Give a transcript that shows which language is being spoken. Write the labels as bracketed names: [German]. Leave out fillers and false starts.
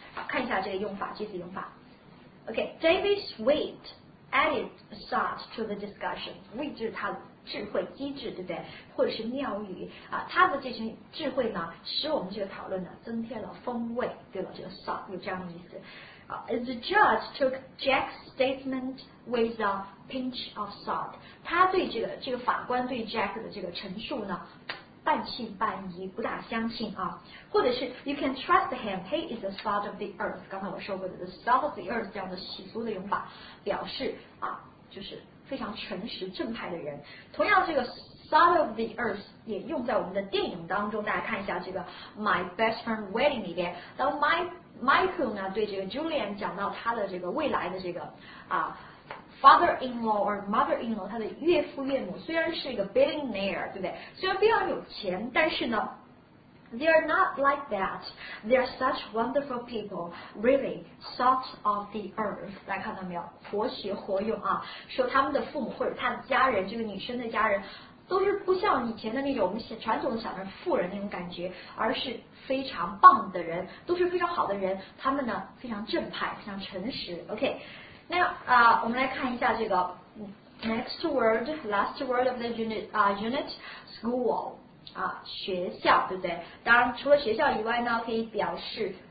[Chinese] 好，看一下这个用法，句子用法。 [English] OK，David Sweet added salt to the discussion， [Chinese] 位置他的。智慧机智，对不对？或者是妙语啊，他的这些智慧呢，使我们这个讨论呢增添了风味，对吧？这个 salt 有这样的意思。 [English] 啊 ，The judge took Jack's statement with a pinch of salt。 [Chinese] 他对这个法官对 Jack 的这个陈述呢，半信半疑，不大相信啊。 [English] 或者是 You can trust him. He is the salt of the earth。 [Chinese] 刚才我说过的 [English] the salt of the earth [Chinese] 这样的喜俗的用法，表示啊，就是。非常诚实正派的人，同样这个 salt of the earth 也用在我们的电影当中，大家看一下这个 My Best Friend Wedding 里边，当 Michael 呢对这个 Julian 讲到他的这个未来的这个啊 [English] father-in-law or mother-in-law， [Chinese] 他的岳父岳母虽然是一个 billionaire， 对不对？虽然非常有钱，但是呢 [English] they are not like that， they are such wonderful people， really salt of the earth， [Chinese] 大家看到没有？活学活用啊，说他们的父母或者他的家人，这个女生的家人，都是不像以前的那种我们传统的想着富人那种感觉，而是非常棒的人，都是非常好的人，他们呢非常正派，非常诚实。 OK， 那我们来看一下这个 [English] next word， last word of the unit， [Chinese] school 啊，学校，对不对？当然除了学校以外呢，可以表示